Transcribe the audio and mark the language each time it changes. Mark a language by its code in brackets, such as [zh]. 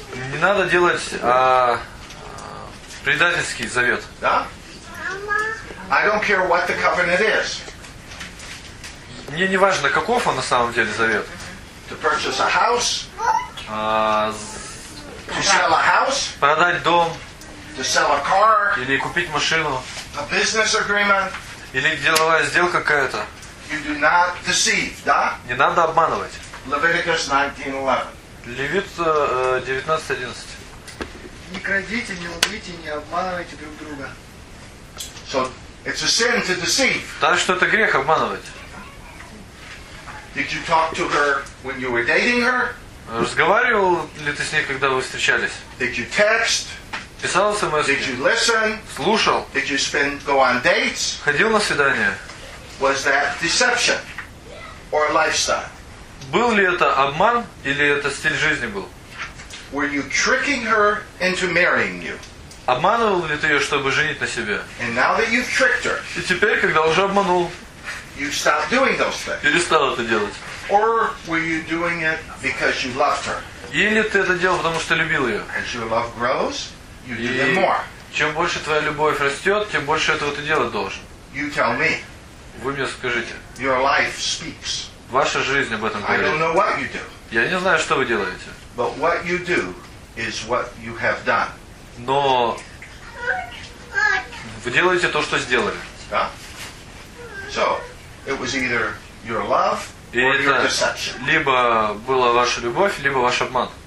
[ru] Не надо делать предательский завет. Да? [en] I don't care what the covenant is. [ru] Мне не важно, каков он на самом деле завет. [en] To purchase a house. To sell a house. [ru] Продать дом. [en] To sell a car. [ru] Или купить машину. [en] A business agreement. [ru] Или деловая сделка какая-то. [en] You do not deceive, [ru] да? Не надо обманывать. [en] Leviticus 19:11. [ru] Левит 19:11. Не крадите, не лгите, не обманывайте друг друга. [en] So it's a sin to deceive. [ru] Так что это грех обманывать. [en] Did you talk to her when you were dating her? [ru] Разговаривал ли ты с ней, когда вы встречались? [en] Did you text? [ru] Писал смс? [en] Did you listen? [ru] Слушал? [en] Did you spend go on dates? [ru] Ходил на свидания? [en] Was that deception or lifestyle? [ru] Был ли это обман или это стиль жизни был? [en] Were you tricking her into marrying you? [ru] Обманывал ли ты ее, чтобы женить на себе? [en] And now that you've tricked her. [ru] И теперь, когда уже обманул. [en] You stopped doing those things. [ru] Перестал это делать. [en] Or were you doing it because you loved her? [ru] Или ты это делал, потому что любил ее? [en] As your love grows, you do it more. [ru] Чем больше твоя любовь растет, тем больше этого ты делать должен. [en] You tell me. [ru] Вы мне скажите. [en] Your life speaks. [ru] Ваша жизнь об этом говорит. [en] I don't know what you do. [ru] Я не знаю, что вы делаете. [en] But what you do is what you have done. [ru] Но вы делаете то, что сделали. Да. [en] So. It was either your love or your deception. [ru] Либо была ваша любовь, либо ваш обман.